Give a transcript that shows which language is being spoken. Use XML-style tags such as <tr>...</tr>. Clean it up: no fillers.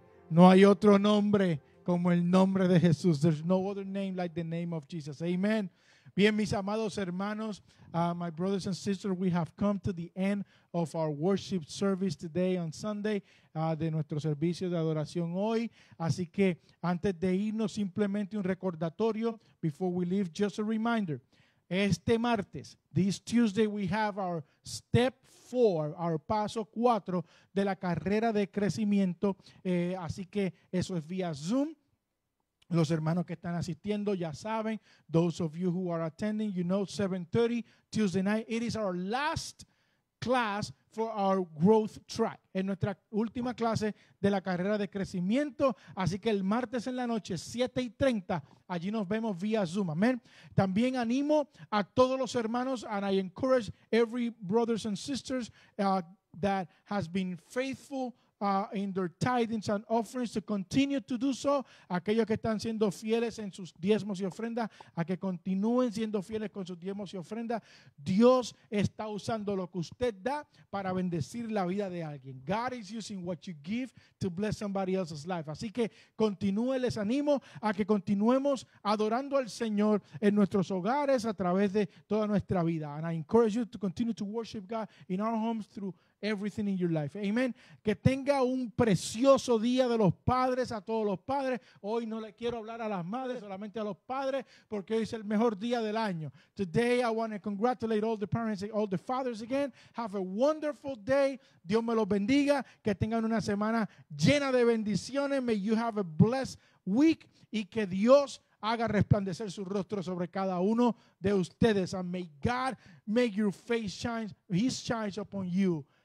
<es>No hay otro nombre como el nombre de Jesús.</es> <en>There's no other name like the name of Jesus. Amen.</en> <es>Bien, mis amados hermanos,</es> <en>my brothers and sisters, we have come to the end of our worship service today on Sunday,</en> <es>de nuestro servicio de adoración hoy. Así que antes de irnos, simplemente un recordatorio.</es> <en>Before we leave, just a reminder.</en> <es>Este martes,</es> <en>this Tuesday, we have our step four, our</en> <es>paso cuatro de la carrera de crecimiento. Así que eso es vía Zoom. Los hermanos que están asistiendo ya saben.</es> <en>Those of you who are attending, you know, 7:30 Tuesday night. It is our last class for our growth track.</en> <es>Es nuestra última clase de la carrera de crecimiento. Así que el martes en la noche, 7:30, allí nos vemos vía Zoom.</es> <en>Amén.</en> <es>También animo a todos los hermanos,</es> <en>and I encourage every brothers and sisters that has been faithful in their tithings and offerings to continue to do so.</en> <es>Aquellos que están siendo fieles en sus diezmos y ofrendas, a que continúen siendo fieles con sus diezmos y ofrendas. Dios está usando lo que usted da para bendecir la vida de alguien.</es> <en>God is using what you give to bless somebody else's life.</en> <es>Así que continúe, les animo a que continuemos adorando al Señor en nuestros hogares a través de toda nuestra vida.</es> <en>And I encourage you to continue to worship God in our homes through everything in your life. Amen.</en> <es>Que tenga un precioso día de los padres, a todos los padres. Hoy no le quiero hablar a las madres, solamente a los padres, porque hoy es el mejor día del año.</es> <en>Today I want to congratulate all the parents and all the fathers again. Have a wonderful day.</en> <es>Dios me los bendiga. Que tengan una semana llena de bendiciones.</es> <en>May you have a blessed week.</en> <es>Y que Dios haga resplandecer su rostro sobre cada uno de ustedes.</es> <en>And may God make your face shine, his shines upon you.</en>